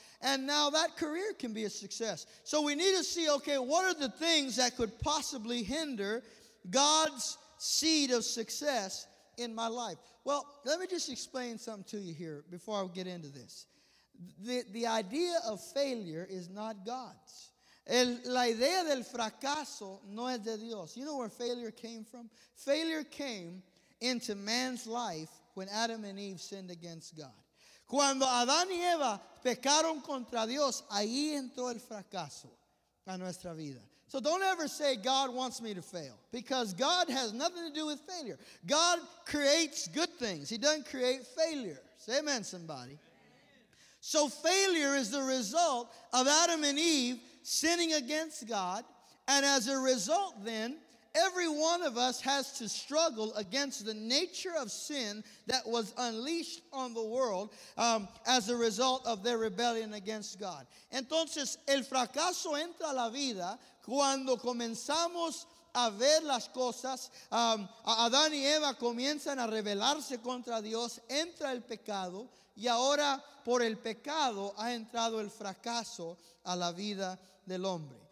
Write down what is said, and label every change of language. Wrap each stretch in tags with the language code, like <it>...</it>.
<en>And now that career can be a success. So we need to see, okay, what are the things that could possibly hinder God's seed of success in my life? Well, let me just explain something to you here before I get into this. The idea of failure is not God's.</en> <es>La idea del fracaso no es de Dios.</es> <en>You know where failure came from? Failure came into man's life when Adam and Eve sinned against God.</en> <es>Cuando Adán y Eva pecaron contra Dios, ahí entró el fracaso a nuestra vida.</es> <en>So don't ever say God wants me to fail, because God has nothing to do with failure. God creates good things. He doesn't create failure. Say amen, somebody. So failure is the result of Adam and Eve sinning against God. And as a result then, every one of us has to struggle against the nature of sin that was unleashed on the world as a result of their rebellion against God.</en> <es>Entonces, el fracaso entra a la vida cuando comenzamos a ver las cosas. Adán y Eva comienzan a rebelarse contra Dios, entra el pecado. Y ahora, por el pecado, ha entrado el fracaso a la vida del hombre.</es>